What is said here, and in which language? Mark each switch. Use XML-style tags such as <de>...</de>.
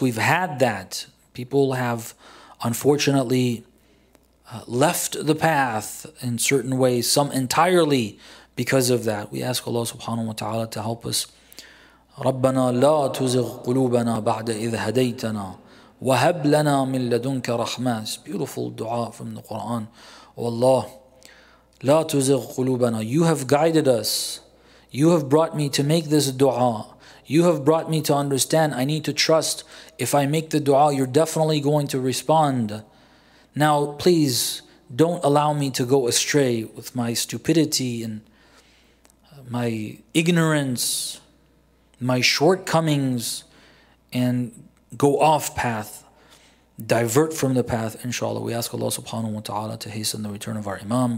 <en>We've had that. People have, unfortunately, left the path in certain ways, some entirely because of that. We ask Allah subhanahu wa ta'ala to help us.</en> <ar>رَبَّنَا لَا تُزِغْ قُلُوبَنَا بَعْدَ إِذْ هَدَيْتَنَا وَهَبْ لَنَا مِنْ لَدُنْكَ رَحْمَةً.</ar> <en>It's a beautiful dua from the Quran. Oh Allah,</en> <ar>لَا تُزِغْ قُلُوبَنَا.</ar> <en>You have guided us. You have brought me to make this dua. You have brought me to understand. I need to trust. If I make the dua, you're definitely going to respond. Now, please, don't allow me to go astray with my stupidity and my ignorance, my shortcomings, and go off path, divert from the path, inshallah. We ask Allah subhanahu wa ta'ala to hasten the return of our imam.</en>